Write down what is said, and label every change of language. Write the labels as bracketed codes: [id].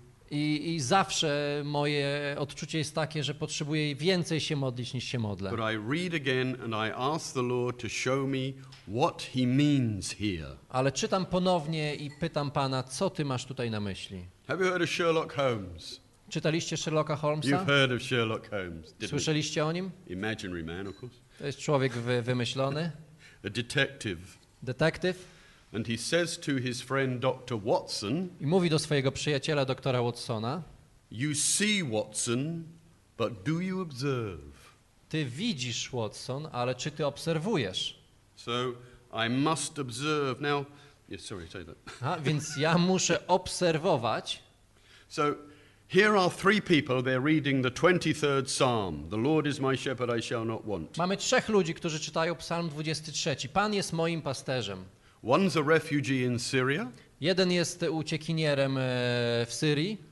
[pl] I zawsze moje odczucie jest takie, że potrzebuję więcej się modlić niż się modlę. [en] But I read again and I ask the Lord to show me what he means here. [pl] Ale czytam ponownie i pytam Pana, co ty masz tutaj na myśli? [en] Have you heard of Sherlock Holmes? [pl] Czytaliście Sherlocka Holmesa? [en] You've heard of Sherlock Holmes, didn't [pl] Słyszeliście [en] you? [pl] O nim? [en] Imaginary man, of course. [pl] To jest człowiek wymyślony. [en] A detective. Detective. And he says to his friend Dr. Watson. [pl] I mówi do swojego przyjaciela doktora Watsona. [en] You see Watson, but do you observe? [pl] Ty widzisz Watson, ale czy ty obserwujesz? [en] So I must observe now. Yes, sorry, say that. [pl] A więc ja muszę obserwować. [en] So here are three people, they're reading the 23rd Psalm. The Lord is my shepherd, I shall not want. [pl] Mamy trzech ludzi, którzy czytają Psalm 23. Pan jest moim pasterzem. [en] One's a refugee in Syria. [pl] Jeden jest uciekinierem w Syrii.